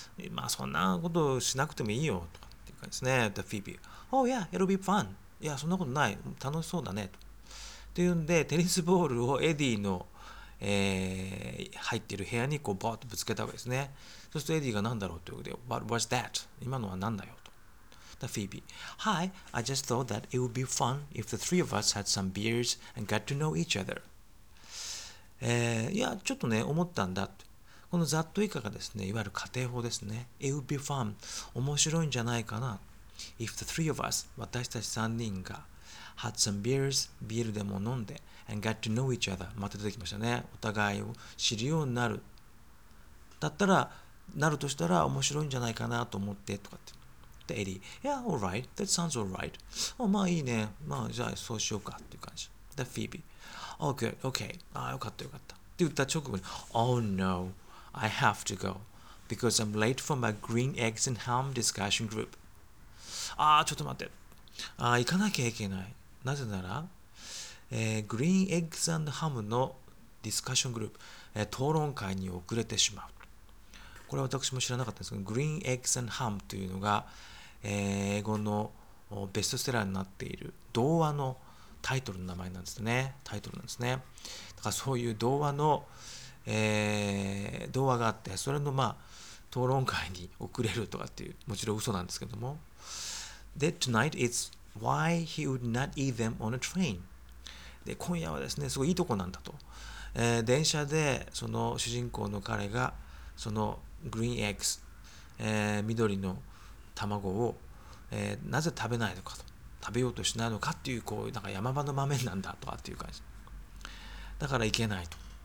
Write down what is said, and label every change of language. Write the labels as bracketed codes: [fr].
[ja] まあそんなことしなくてもいいよとかっていう感じですね。 [en] The Phoebe、 Oh yeah, it'll be fun。 [ja] いやそんなことない、楽しそうだねと。っていうんでテニスボールをエディの、入っている部屋にこうバーッとぶつけたわけですね。そしてエディが何だろうということで、 [en] What was that? [ja] 今のは何だよ。 [en] The Phoebe, Hi, I just thought that it would be fun if the three of us had some beers and got to know each other. [ja] いや、ちょっとね、思ったんだ。このざっと以下がですね、いわゆる仮定法ですね。 [en] It would be fun, [ja] 面白いんじゃないかな。 [en] If the three of us, [ja] 私たち三人が [en] had some beers, [ja] ビールでも飲んで [en] and got to know each other, [ja] また出てきましたね。お互いを知るようになる。だったら、なるとしたら面白いんじゃないかなと思ってとかって。 [en] エディ、Yeah, alright, that sounds alright. [ja] あ、まあいいね。まあじゃあそうしようかっていう感じ。 [en] The Phoebe, Oh good, okay. [ja] ああよかったよかった。って言った直後に、 [en] Oh no, I have to go because I'm late for my green eggs and ham discussion group. [ja] ああちょっと待って。ああ行かなきゃいけない。なぜなら、green eggs and ham のディスカッショングループ、討論会に遅れてしまう。これは私も知らなかったんですけど、Green Eggs and Ham というのが、英語のベストセラーになっている童話のタイトルの名前なんですね。タイトルなんですね。だからそういう童話の、童話があって、それのまあ討論会に遅れるとかっていう、もちろん嘘なんですけども。で、 [en] Tonight is why he would not eat them on a train。 [ja] で、今夜はですね、すごいいいとこなんだと。電車でその主人公の彼が、そのグリーンエッグス、緑の卵を、なぜ食べないのかと、食べようとしないのかっていう、こうなんか山場の場面なんだとかっていう感じだから行けないと。